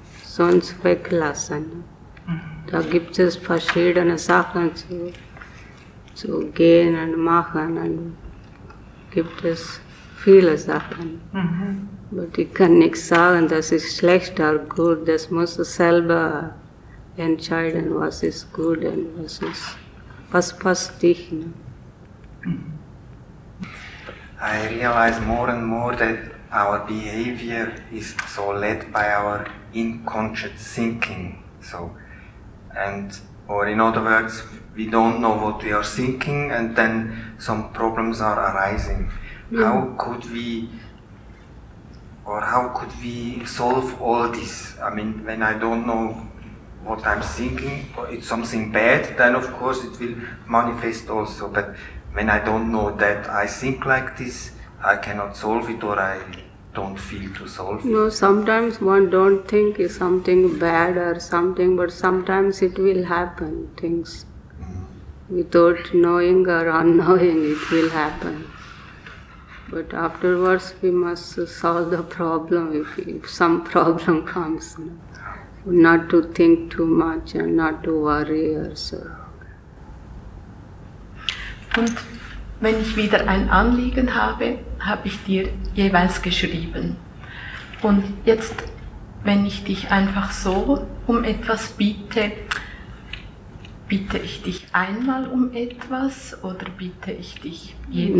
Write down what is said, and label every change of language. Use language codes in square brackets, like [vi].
[de] sonst weglassen. Mhm. Da gibt es verschiedene Sachen zu gehen und machen. Und gibt es viele Sachen. Mhm. Aber ich kann nicht sagen, das ist schlecht oder gut. Das muss selber entscheiden, was ist gut und was ist, was passt dich. Ne? [en] I realize more and more that our behavior is so led by our unconscious thinking. So, and, or in other words, we don't know what we are thinking and then some problems are arising. Mm. How could we solve all this? I mean, when I don't know what I'm thinking, it's something bad, then of course it will manifest also. But when I don't know that I think like this, I cannot solve it or I don't feel to solve it. No, sometimes one don't think it's something bad or something, but sometimes it will happen, things. Mm. Without knowing or unknowing, it will happen. But afterwards we must solve the problem if some problem comes. No? Not to think too much and not to worry or so. [de] Und wenn ich wieder ein Anliegen habe, habe ich dir jeweils geschrieben. Und jetzt, wenn ich dich einfach so um etwas bitte, bitte ich dich einmal um etwas oder bitte ich dich jeden